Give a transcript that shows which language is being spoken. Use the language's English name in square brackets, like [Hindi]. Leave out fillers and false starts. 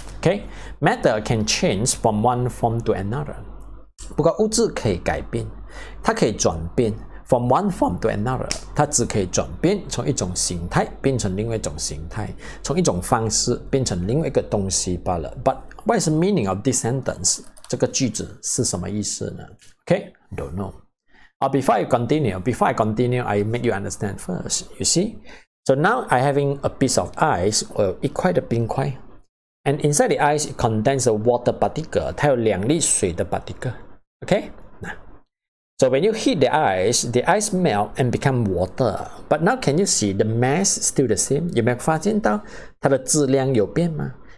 [English] Okay, matter can change from one form to another. [Chinese] 不过物质可以改变, 它可以转变, [English] from one form to another, [Chinese] 它只可以转变, 从一种形态, 变成另外一种形态, 从一种方式, 变成另外一个东西, 罢了. [English] But what is the meaning of this sentence? [Chinese] 这个句子是什么意思呢? [English] Okay, don't know. Before I continue, I make you understand first. You see? So now I having a piece of ice, or quite a bean quai. And inside the ice, it contains a water particle, [Chinese] 它有两粒水的 [English] particle. Okay? So when you heat the ice melt and become water. But now can you see the mass still the same? [Chinese] 有没有发现到它的质量有变吗?